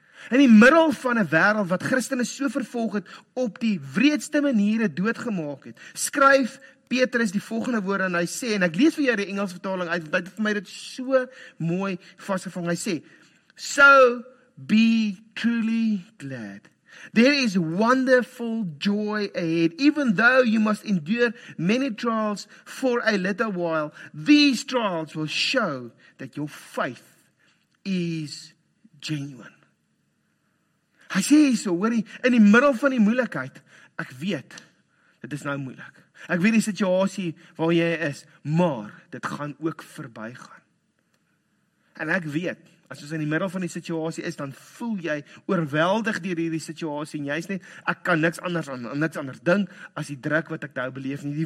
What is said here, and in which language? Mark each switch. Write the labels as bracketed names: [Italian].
[Afrikaans] In die middel van 'n wêreld wat Christene so vervolg het, op die wreedste maniere doodgemaak het, skryf Petrus die volgende woorde en hy sê, en ek lees vir jou die Engels vertaling uit, want hy het vir my dit so mooi vasgevang, hy sê, [English] so be truly glad There is wonderful joy ahead. Even though you must endure many trials for a little while, these trials will show that your faith is genuine. [Afrikaans] Hy sê so, hoorie, in die middel van die moeilikheid, ek weet, dit is nou moeilik. Ek weet die situasie waar jy is, maar dit gaan ook verby gaan. En ek weet, as ons in die middel van die situasie is, dan voel jy oorweldig deur hierdie situasie, en jy sê, ek kan niks anders dink, as die druk wat ek nou beleef nie.